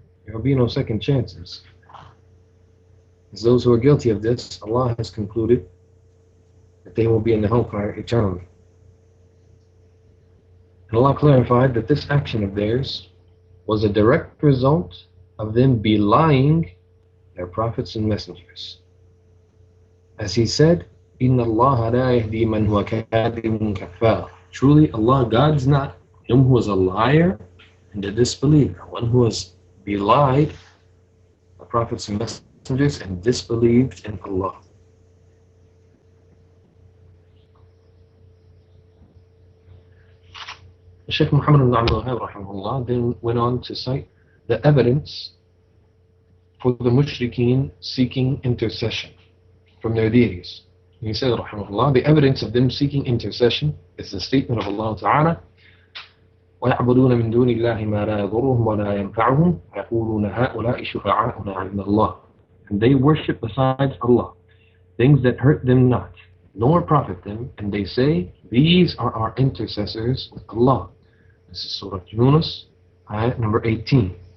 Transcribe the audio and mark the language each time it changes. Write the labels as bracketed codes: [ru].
[en] There will be no second chances. As those who are guilty of this, Allah has concluded that they will be in the hellfire eternally. And Allah clarified that this action of theirs was a direct result of them belying their prophets and messengers. As he said, [ar] إِنَّ اللَّهَ لَا يَهْدِي مَنْ هُوَ كَاذِبٌ كَفَّارٌ. [en] Truly, Allah guides not him who is a liar and a disbeliever, one who has belied the prophets and messengers and disbelieved in Allah. Shaykh Muhammad ibn Abdul Wahhab rahimahullah then went on to cite the evidence for the mushrikeen seeking intercession from their deities. And he said, rahimahullah, the evidence of them seeking intercession is the statement of Allah Ta'ala, [ar] ويعبدون من دون الله ما لا يضرهم ولا ينفعهم يقولون هؤلاء شفعاؤنا عند الله. [en] And they worship besides Allah things that hurt them not, nor profit them, and they say, these are our intercessors with Allah. This is Surah Yunus, ayah number 18.